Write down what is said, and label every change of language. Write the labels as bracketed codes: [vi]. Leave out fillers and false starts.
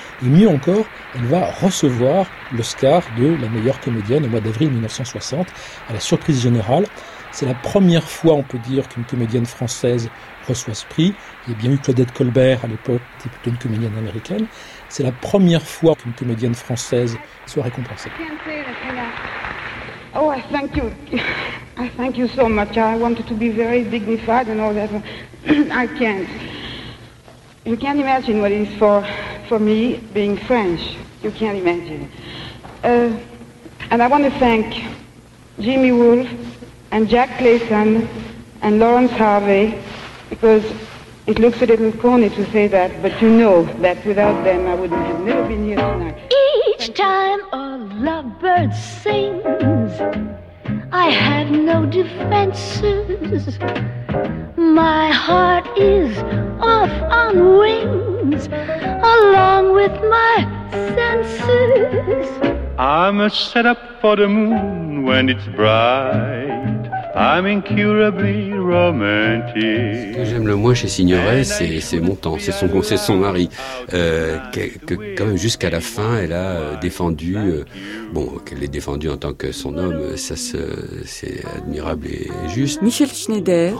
[fr] Et mieux encore, elle va recevoir l'Oscar de la meilleure comédienne au mois d'avril 1960, à la surprise générale. C'est la première fois, on peut dire, qu'une comédienne française reçoit ce prix. Il y a bien eu Claudette Colbert à l'époque, qui était plutôt une comédienne américaine. C'est la première fois qu'une comédienne française soit récompensée. [en] Oh, I thank you so much. I wanted to be very dignified and all that. I can't. You can't imagine what it is for me being French. You can't imagine. And I want to thank Jimmy Wolfe and Jack Clayton and Laurence Harvey, because it looks a little corny to say that, but you know that without them I would have never been here tonight. Each time a lovebird sings, I have no defenses. My heart is off on wings, along with my senses. I must set up for the moon when it's bright. I'm incurably romantic. [fr] Ce que j'aime le moins chez Signoret, c'est Montand, c'est son mari. Quand même, jusqu'à la fin, elle a défendu, qu'elle l'ait défendu en tant que son homme, c'est admirable et juste. Michel Schneider.